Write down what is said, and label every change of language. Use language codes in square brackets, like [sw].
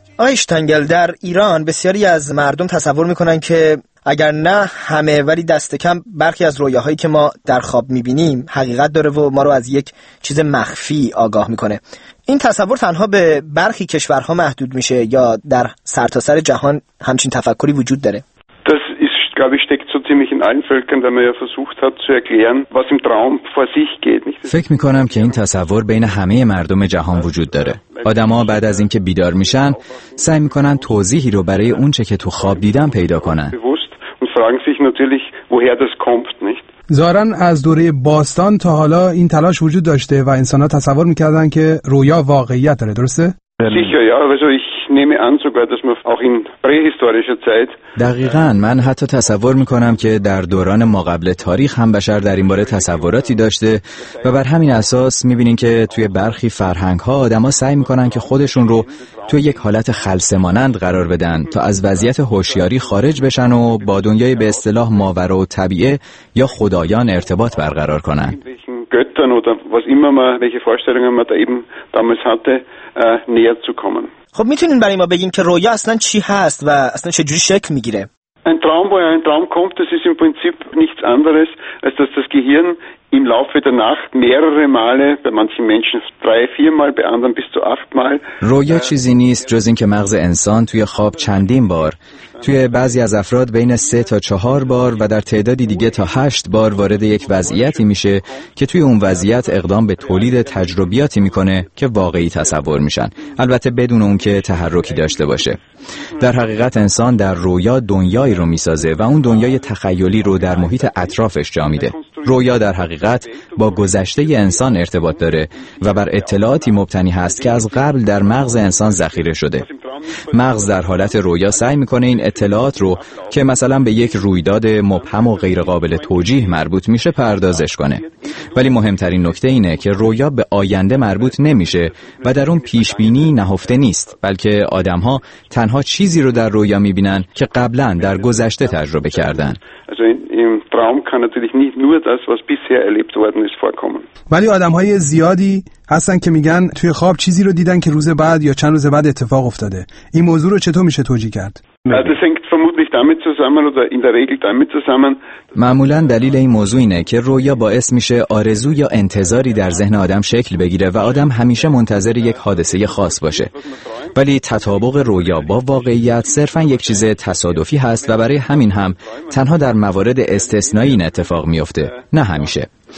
[fa] آقای شتانگل، در ایران بسیاری از مردم تصور میکنن که اگر نه همه ولی دست کم برخی از رویاهایی که ما در خواب میبینیم حقیقت داره و ما رو از یک چیز مخفی آگاه میکنه. این تصور تنها به برخی کشورها محدود میشه یا در سرتاسر جهان همچین تفکری وجود داره؟ [de] glaube ich, steckt so ziemlich in allen Völkern, wenn man ja versucht hat zu erklären, was im Traum vor sich geht. [fa] فکر میکنم که این تصور بین همه مردم جهان وجود داره. آدم ها بعد از اینکه بیدار میشن، سعی میکنن توضیحی رو برای اون چه که تو خواب دیدن پیدا کنن. [de] bewusst und fragen sich natürlich, woher das kommt, nicht? [fa] ظاهرا از دوره باستان تا حالا این تلاش وجود داشته و انسان ها تصور میکردن که رویا واقعیت داره، درسته؟ [de] sicher, ja, also ich nehme an sogar, dass man auch in prähistorischer Zeit. [fa] دقیقاً، من حتی تصور میکنم که در دوران ما قبل تاریخ هم بشر در این باره تصوراتی داشته و بر همین اساس میبینین که توی برخی فرهنگ ها آدم ها سعی میکنن که خودشون رو توی یک حالت خلسه مانند قرار بدن تا از وضعیت هوشیاری خارج بشن و با دنیای به اصطلاح ماورا و طبیعه یا خدایان ارتباط برقرار کنن. [de] göttern oder was immer man welche Vorstellungen man da eben damals hatte näher zu kommen. [fa] خب میتونین برای ما بگین که رویا اصلا چی هست و اصلا چه جوری شکل میگیره؟ [de] Ein Traum, wo ein Traum kommt, das ist im Prinzip nichts anderes als dass das Gehirn im Laufe der Nacht mehrere Male, bei manchen Menschen 3-4 Mal, bei anderen bis zu 8 Mal. [fa] رویا چیزی نیست جز اینکه مغز انسان توی خواب چندین بار، توی بعضی از افراد بین 3 تا 4 بار و در تعدادی دیگه تا 8 بار وارد یک وضعیتی میشه که توی اون وضعیت اقدام به تولید تجربیاتی میکنه که واقعی تصور میشن، البته بدون اون که تحرکی داشته باشه. در حقیقت انسان در رویا دنیایی رو میسازه و اون دنیای تخیلی رو در محیط اطرافش جا میده. رویا در حقیقت با گذشته انسان ارتباط داره و بر اطلاعاتی مبتنی هست که از قبل در مغز انسان ذخیره شده. مغز در حالت رویا سعی میکنه این اطلاعات رو که مثلا به یک رویداد مبهم و غیر قابل توجیه مربوط میشه پردازش کنه. ولی مهمترین نکته اینه که رویا به آینده مربوط نمیشه و در اون پیش بینی نهفته نیست، بلکه آدم ها تنها چیزی رو در رویا میبینن که قبلا در گذشته تجربه کردن. [de] Traum kann natürlich nicht nur das, was bisher erlebt worden ist, vorkommen. [fa] ولی آدم‌های زیادی هستن که میگن توی خواب چیزی رو دیدن که روز بعد یا چند روز بعد اتفاق افتاده. این موضوع رو چطور میشه توجیه کرد؟ [de] Das hängt vermutlich damit zusammen oder in der Regel damit zusammen. [fa] معمولا دلیل این موضوع اینه که رویا باعث میشه آرزو یا انتظاری در ذهن آدم شکل بگیره و آدم همیشه منتظر یک حادثه خاص باشه. ولی تطابق رویا با واقعیت صرفا یک چیز تصادفی هست و برای همین هم تنها در موارد استثنایی این اتفاق میفته، نه همیشه.